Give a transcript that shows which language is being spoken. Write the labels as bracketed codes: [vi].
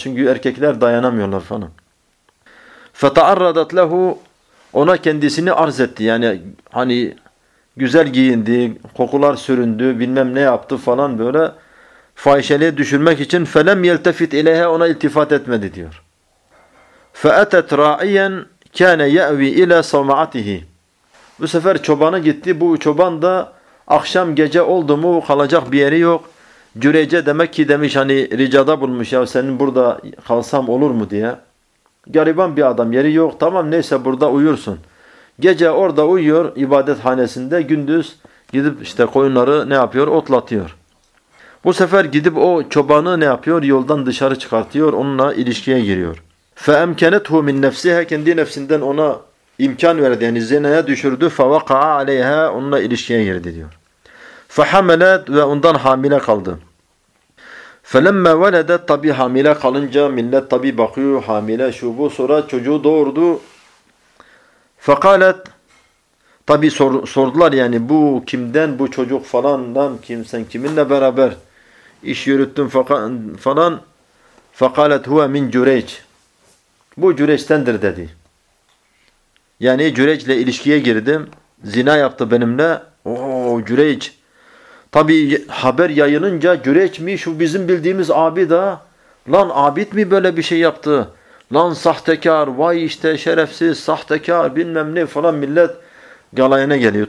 [tr] Çünkü erkekler dayanamıyorlar falan. [ar] فَتَعَرَّدَتْ لَهُ. [tr] Ona kendisini arz etti. Yani hani güzel giyindi, kokular süründü, bilmem ne yaptı falan böyle. Fahişeliğe düşürmek için [ar] فَلَمْ يَلْتَفِتْ اِلَيْهَا. [tr] Ona iltifat etmedi diyor. [ar] فأتت راعيا كان يأوي إلى صومعته. [tr] Bu sefer çobana gitti. Bu çoban da akşam gece oldu mu kalacak bir yeri yok. Cüreyce demek ki demiş hani ricada bulmuş ya senin burada kalsam olur mu diye. Gariban bir adam yeri yok. Tamam neyse burada uyursun. Gece orada uyuyor ibadethanesinde. Gündüz gidip işte koyunları ne yapıyor? Otlatıyor. Bu sefer gidip o çobanı ne yapıyor? Yoldan dışarı çıkartıyor. Onunla ilişkiye giriyor. [ar] فَاَمْكَنَتْهُ مِنْ نَفْسِهَا [tr] Kendi nefsinden ona imkan verdi. Yani zinaya düşürdü. [ar] فَوَقَعَ عَلَيْهَا [tr] Onunla ilişkiye girdi diyor. فَحَمَلَتْ Ve ondan hamile kaldı. [ar] فَلَمَّا وَلَدَتْ [tr] Tabi hamile kalınca millet tabi bakıyor. Hamile şu bu. Sonra çocuğu doğurdu. فَقَالَتْ Tabi sordular yani bu kimden bu çocuk falan lan kimsen kiminle beraber iş yürüttün falan. [ar] فَقَالَتْ هُوَ مِنْ جُرَيْجِ [tr] Bu Cüreyç'tendir dedi. Yani Cüreyç'le ilişkiye girdim. Zina yaptı benimle. Ooo Cüreyç. Tabi haber yayılınca Cüreyç mi şu bizim bildiğimiz abi da lan abid mi böyle bir şey yaptı? Lan sahtekar vay işte şerefsiz sahtekar bilmem ne falan millet galayına geliyor.